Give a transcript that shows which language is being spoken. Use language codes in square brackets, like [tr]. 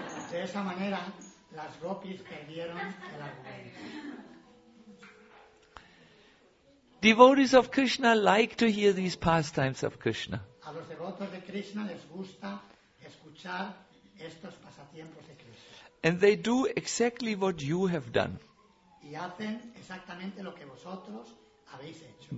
[es] De esa manera, las gopis perdieron el argumento. [en] Devotees of Krishna like to hear these pastimes of Krishna. [es] A los devotos de Krishna les gusta escuchar estos pasatiempos de Krishna. [en] And they do exactly what you have done. [es] y hacen exactamente lo que vosotros habéis hecho.